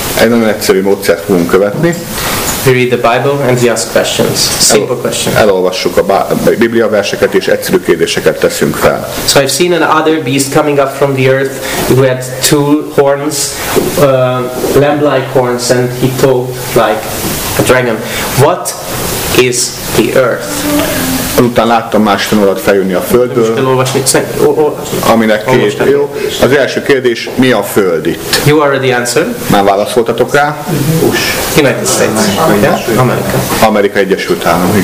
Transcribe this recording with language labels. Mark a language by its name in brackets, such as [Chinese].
[Hungarian] Egy nagyon egyszerű módszert fogunk követni. [English] We read the Bible and we ask questions. Simple questions. [Hungarian] Elolvassuk a Biblia verseket és egyszerű kérdéseket teszünk fel. [English] So I've seen another beast coming up from the earth who had two horns, lamb-like horns, and he talked like a dragon. What is the earth? [Hungarian] Utána láttam más fenyőt feljönni a földből. Aminek két, jó. Az első kérdés, mi a föld itt? [English] You already answered. [Hungarian] Már válaszoltatok rá? [English] United States. Amerika. [Hungarian] Amerika Egyesült Államok.